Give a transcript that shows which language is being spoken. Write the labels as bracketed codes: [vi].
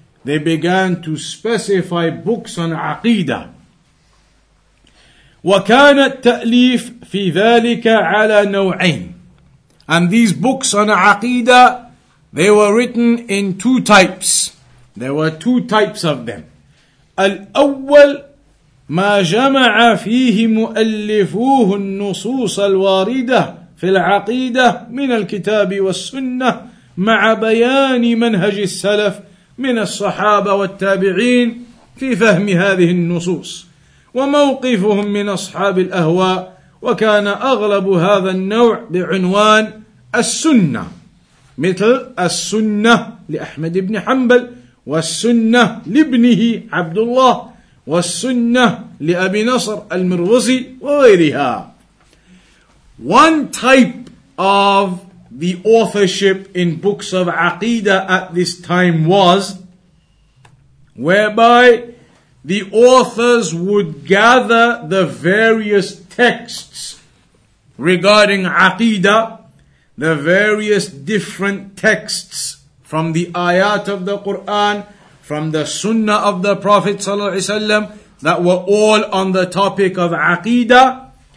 [en] They began to specify books on aqidah. [ar] وَكَانَ التَّأْلِيفِ فِي ذَلِكَ عَلَى نَوْعَيْنِ. [en] And these books on aqidah, they were written in two types. There were two types of them. [ar] الأول ما جمع فيه مؤلفوه النصوص الواردة في العقيدة من الكتاب والسنة مع بيان منهج السلف من الصحابة والتابعين في فهم هذه النصوص وموقفهم من أصحاب الأهواء وكان أغلب هذا النوع بعنوان السنة مثل السنة لأحمد بن حنبل والسنة لابنه عبد الله والسنة لأبي نصر المروزي وغيرها. [en] One type of the authorship in books of Aqidah at this time was whereby the authors would gather the various texts regarding Aqidah, the various different texts from the ayat of the Quran, from the sunnah of the Prophet ﷺ that were all on the topic of Aqidah.